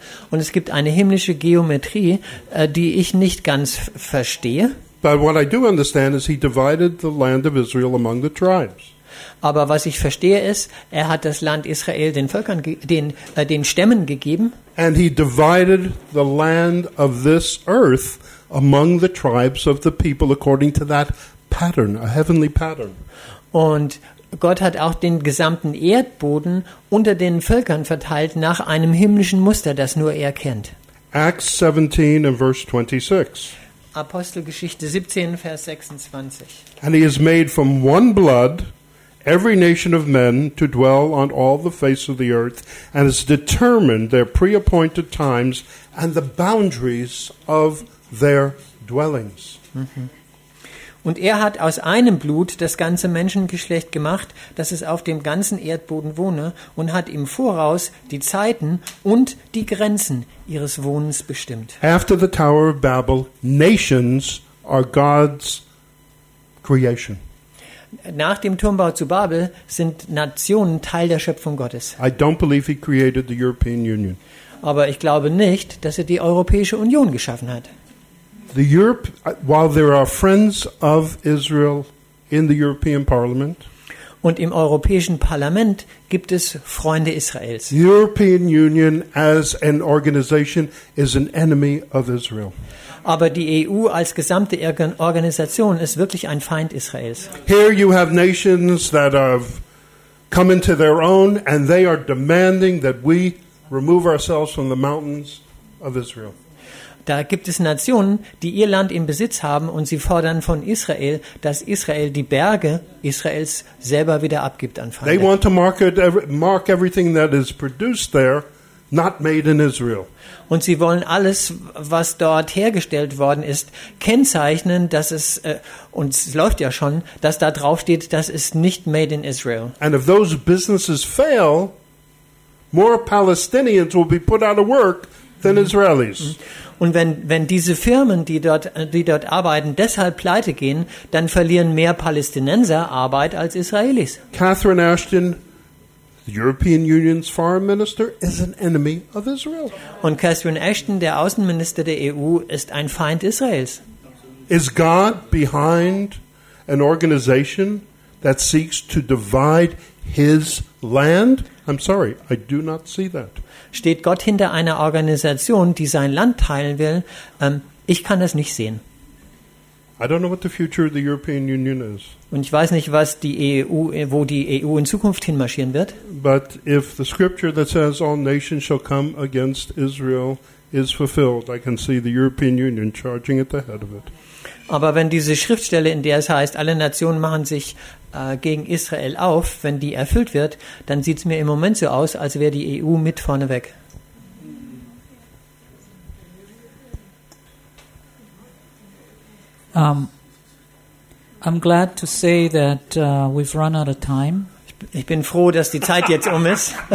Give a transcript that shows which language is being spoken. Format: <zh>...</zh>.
<de>Und es gibt eine himmlische Geometrie, die ich nicht ganz verstehe.</de> <en>But what I do understand is he divided the land of Israel among the tribes.</en> <de>Aber was ich verstehe ist, er hat das Land Israel den Völkern, den Stämmen gegeben.</de> <en>And he divided the land of this earth among the tribes of the people according to that pattern, a heavenly pattern.</en> <de>Und Gott hat auch den gesamten Erdboden unter den Völkern verteilt nach einem himmlischen Muster, das nur er kennt.</de> <en>Acts 17 and verse 26.</en> <de>Apostelgeschichte 17, Vers 26.</de> <en>And he has made from one blood every nation of men to dwell on all the face of the earth, and has determined their pre-appointed times and the boundaries of their dwellings.</en> <de>Und er hat aus einem Blut das ganze Menschengeschlecht gemacht, dass es auf dem ganzen Erdboden wohne, und hat im Voraus die Zeiten und die Grenzen ihres Wohnens bestimmt.</de> <en>After the Tower of Babel, nations are God's creation.</en> <de>Nach dem Turmbau zu Babel sind Nationen Teil der Schöpfung Gottes.</de> <en>I don't believe he created the European Union.</en> <de>Aber ich glaube nicht, dass er die Europäische Union geschaffen hat.</de> <en>The Europe, while there are friends of Israel in the European Parliament,</en> <de>und im Europäischen Parlament gibt es Freunde Israels.</de> <en>The European Union as an organization is an enemy of Israel.</en> <de>Aber die EU als gesamte Organisation ist wirklich ein Feind Israels.</de> <en>Here you have nations that have come into their own, and they are demanding that we remove ourselves from the mountains of Israel.</en> <de>Da gibt es Nationen, die ihr Land in Besitz haben, und sie fordern von Israel, dass Israel die Berge Israels selber wieder abgibt an Feinde.</de> <en>They want to mark everything that is produced there, not made in Israel.</en> <de>Und sie wollen alles, was dort hergestellt worden ist, kennzeichnen, dass es und es läuft ja schon, dass da drauf steht, das ist nicht made in Israel.</de> <en>And if those businesses fail, more Palestinians will be put out of work than Israelis.</en> <de>Und wenn diese Firmen, die dort arbeiten, deshalb pleite gehen, dann verlieren mehr Palästinenser Arbeit als Israelis.</de> <en>Catherine Ashton, the European Union's foreign minister, is an enemy of Israel.</en> <de>Und Catherine Ashton, der Außenminister der EU, ist ein Feind Israels.</de> <en>Is God behind an organization that seeks to divide his land? I'm sorry, I do not see that.</en> <de>Steht Gott hinter einer Organisation, die sein Land teilen will? Ich kann das nicht sehen.</de> <en>I don't know what the future of the European Union is.</en> <de>Und ich weiß nicht, was die EU, wo die EU in Zukunft hinmarschieren wird.</de> <en>But if the scripture that says all nations shall come against Israel is fulfilled, I can see the European Union charging at the head of it.</en> <de>Aber wenn diese Schriftstelle, in der es heißt, alle Nationen machen sich gegen Israel auf, wenn die erfüllt wird, dann sieht es mir im Moment so aus, als wäre die EU mit vorneweg.</de> <en>I'm glad to say that we've run out of time.</en> <de>Ich bin froh, dass die Zeit jetzt um ist.</de>